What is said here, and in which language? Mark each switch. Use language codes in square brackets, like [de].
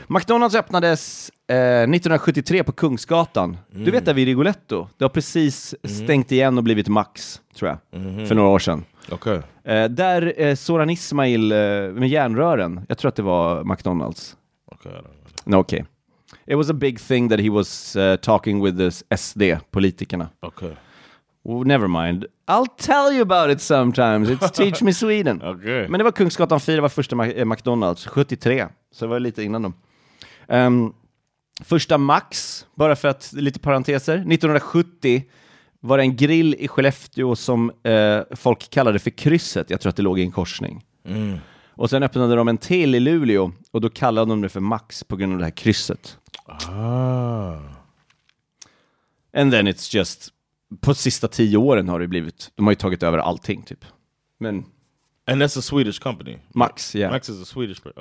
[sv] McDonald's öppnades 1973 på Kungsgatan. Du vet där vid Rigoletto. Det har precis stängt igen och blivit Max, tror jag, för några år sedan. Okej. Där Soran Ismail med järnrören. Jag tror att det var McDonald's. Okej. [en] It was a big thing that he was talking with the SD-politikerna. [sv] Okej. [en] Well, never mind. I'll tell you about it sometimes. It's Teach Me Sweden. Okay. [sv] Men det var Kungsgatan 4, var första McDonald's 73. Så det var lite innan dem. Första Max, bara för att lite parenteser. 1970 var det en grill i Skellefteå som folk kallade för krysset. Jag tror att det låg i en korsning. Och sen öppnade de en till i Luleå. Och då kallade de det för Max på grund av det här krysset. Ah. [en] And then it's just... [sv] På sista 10 åren har det blivit... De har ju tagit över allting, typ. Men... [en] And that's a Swedish company. Max, yeah. Max is a Swedish company.